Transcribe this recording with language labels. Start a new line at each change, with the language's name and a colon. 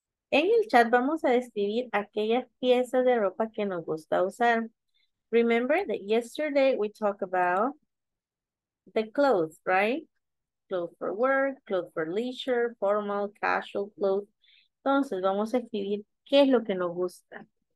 Spanish: En el chat vamos a describir aquellas piezas de ropa que nos gusta usar.
English: Remember that yesterday we talked about the clothes, right? Clothes for work, clothes for leisure, formal, casual clothes.
Spanish: Entonces vamos a escribir qué es lo que nos gusta.